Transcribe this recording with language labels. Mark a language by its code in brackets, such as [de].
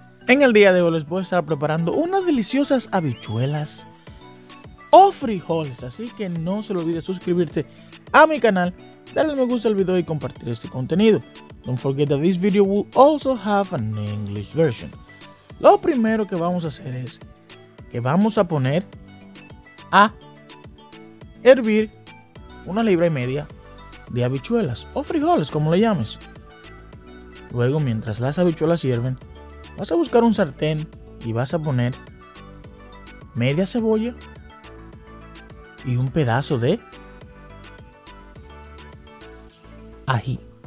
[es] En el día de hoy les voy a estar preparando unas deliciosas habichuelas o frijoles. Así que no se lo olvide suscribirse a mi canal, darle me gusta al video y compartir este contenido. [en] Don't forget that this video will also have an English version. [es] Lo primero que vamos a hacer es que vamos a poner a hervir una libra y media de habichuelas o frijoles, como le llames. Luego, mientras las habichuelas hierven, vas a buscar un sartén y vas a poner media cebolla y un pedazo de ají.